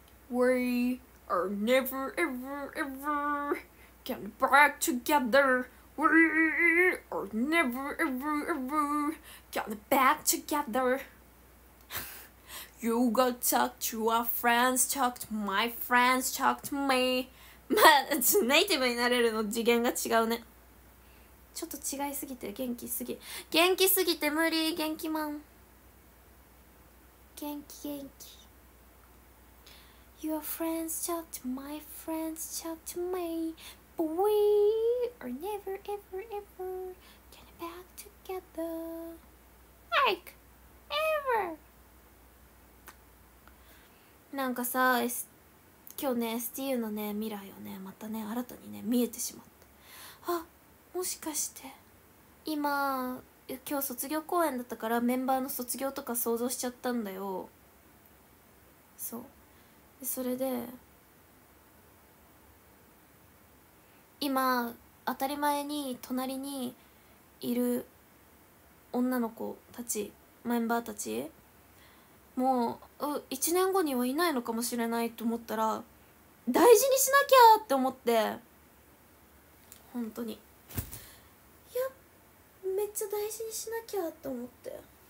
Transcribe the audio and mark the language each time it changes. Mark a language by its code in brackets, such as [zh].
[en] We are never ever ever getting back together. We are never ever ever getting back together. You gotta talk to our friends, talk to my friends, talk to me. [ja] まあ、ネイティブになれるの次元が違うね。ちょっと違いすぎて、元気すぎ、元気すぎて無理。元気マン、元気元気。 [en] Your friends talk to my friends talk to me But we are never ever ever getting back together Like ever。 [ja] なんかさ、S、K 今日ね STU のね未来をねまたね新たにね見えてしまった。あ、もしかして今今日卒業公演だったからメンバーの卒業とか想像しちゃったんだよ。そう、でそれで今当たり前に隣にいる女の子たちメンバーたちもう1年後にはいないのかもしれないと思ったら大事にしなきゃって思って本当にいやめっちゃ大事にしなきゃって思って。